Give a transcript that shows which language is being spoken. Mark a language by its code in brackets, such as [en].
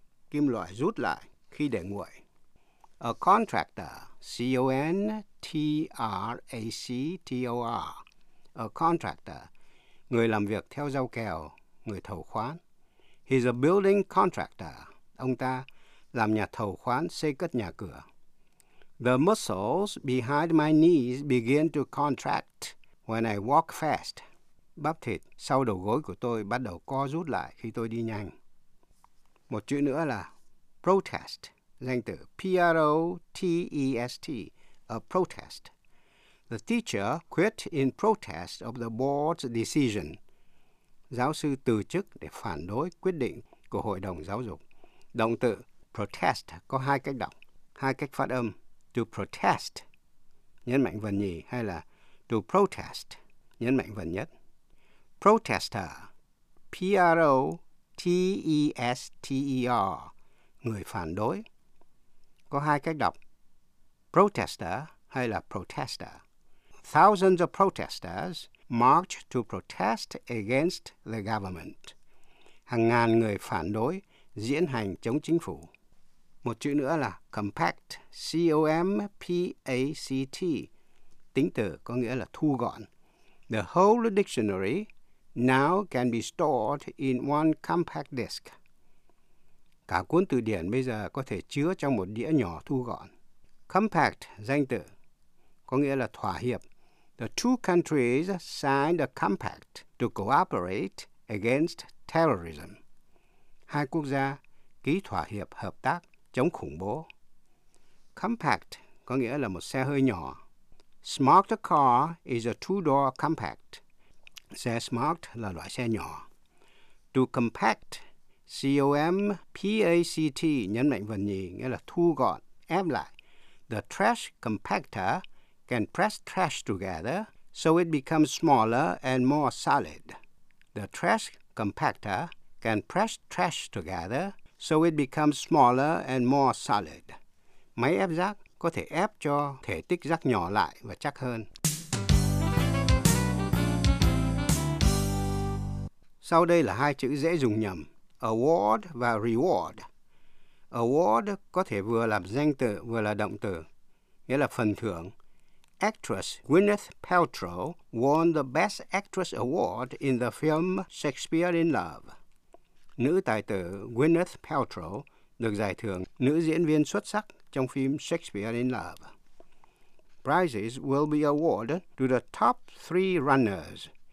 [vi] Kim loại rút lại khi để nguội. [en] A contractor, C-O-N-T-R-A-C-T-O-R. A contractor, [vi] người làm việc theo giao kèo, người thầu khoán. [en] He's a building contractor, [vi] ông ta làm nhà thầu khoán xây cất nhà cửa. [en] The muscles behind my knees begin to contract when I walk fast. [vi] Bắp thịt sau đầu gối của tôi bắt đầu co rút lại khi tôi đi nhanh. Một chữ nữa là protest, danh từ P-R-O-T-E-S-T, [en] a protest. The teacher quit in protest of the board's decision. [vi] Giáo sư từ chức để phản đối quyết định của hội đồng giáo dục. Động từ protest có hai cách đọc, hai cách phát âm. To protest, nhấn mạnh phần nhì, hay là to protest, nhấn mạnh phần nhất. Protester, P-R-O-T-E-S-T-E-R, người phản đối. Có hai cách đọc, protester hay là protester. [en] Thousands of protesters marched to protest against the government. [vi] Hàng ngàn người phản đối diễn hành chống chính phủ. Một chữ nữa là compact, C-O-M-P-A-C-T, tính từ có nghĩa là thu gọn. [en] The whole dictionary now can be stored in one compact disc. [vi] Cả cuốn từ điển bây giờ có thể chứa trong một đĩa nhỏ thu gọn. Compact, danh từ, có nghĩa là thỏa hiệp. [en] The two countries signed a compact to cooperate against terrorism. [vi] Hai quốc gia ký thỏa hiệp hợp tác chống khủng bố. Compact có nghĩa là một xe hơi nhỏ. [en] Smart car is a two-door compact. [vi] xe smart là loại xe nhỏ. [en] To compact, [vi] C-O-M-P-A-C-T, nhấn mạnh vần nhì, nghĩa là thu gọn, ép lại. [en] The trash compactor can press trash together so it becomes smaller and more solid. The trash compactor can press trash together so it becomes smaller and more solid. [vi] Máy ép rác có thể ép cho thể tích rác nhỏ lại và chắc hơn. Sau đây là hai chữ dễ dùng nhầm, award và reward. Award có thể vừa là danh từ vừa là động từ, nghĩa là phần thưởng. [en] Actress Gwyneth Paltrow won the Best Actress Award in the film Shakespeare in Love. [vi] Nữ tài tử Gwyneth Paltrow được giải thưởng nữ diễn viên xuất sắc trong phim Shakespeare in Love. [en] Prizes will be awarded to the top three runners.